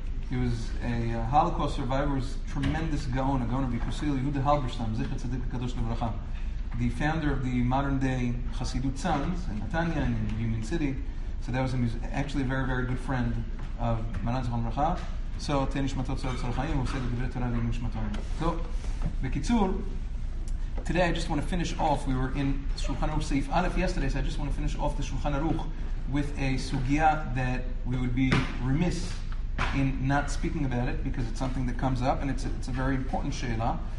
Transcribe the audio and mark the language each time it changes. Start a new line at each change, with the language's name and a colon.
English: He was a Holocaust survivor, was tremendous gaon, a gaon of Yechusil, Yehuda Halberstam,
Hebrew: Zichr Tzadik Kadosh Levracha,
English: the founder of the modern-day Hasidut Tzanz, in Netanya and in Union City. So that was him. He's actually a very, very good friend of Maran Zichron Levracha.
Hebrew: So, תהי נשמתו צורת צור החיים, הוא עושה את דברי תורה ועם נשמתו.
English: טוב, בקיצור, today I just want to finish off, we were in שולחן ערוך סעיף א' yesterday, so I just want to finish off the שולחן ערוך with a סוגיה that we would be remiss in not speaking about it, because it's something that comes up, and it's a very important שאלה.